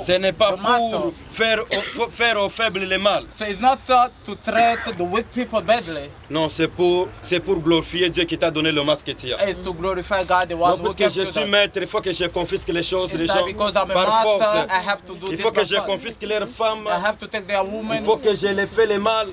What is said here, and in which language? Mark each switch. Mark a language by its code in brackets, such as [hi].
[fr] Ce n'est pas pour faire aux faibles le mal. [en] So it's not to treat the weak people badly. [fr] Non, c'est pour glorifier Dieu qui t'a donné le masque que tu as. [en] It's to glorify God, the one [fr] non, parce que je suis maître, il faut que je confisque les choses des gens. [en] Because I'm a master, [fr] force. [en] I have to do [fr] il Il faut que je confisque leurs femmes. [en] I have to take their women. [fr] Il faut que je les fais le mal.